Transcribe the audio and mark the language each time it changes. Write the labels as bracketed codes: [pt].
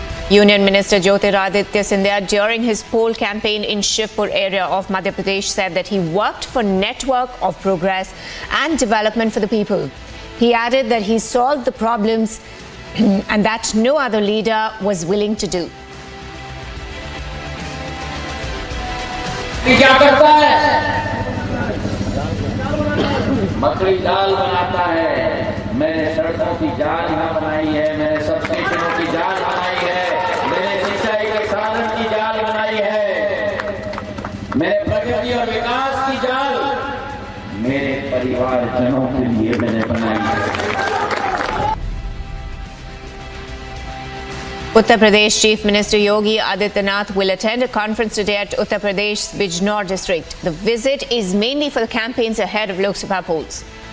[en] Union Minister Jyotiraditya Sindhya, during his poll campaign in Shivpur area of Madhya Pradesh, said that he worked for network of progress and development for the people. He added that he solved the problems and that no other leader was willing to do. [hi] मैंने सड़कों की जाल यहाँ बनाई है, मैंने सबसे जाल बनाई है, मैंने सिंचाई के साधन की जाल बनाई है, मैंने प्रगति और विकास की जाल मेरे परिवार जनों के लिए मैंने बनाई है। [en] Uttar Pradesh Chief Minister Yogi Adityanath will attend a conference today at Uttar Pradesh's Bijnor district. The visit is mainly for the campaigns ahead of Lok Sabha polls.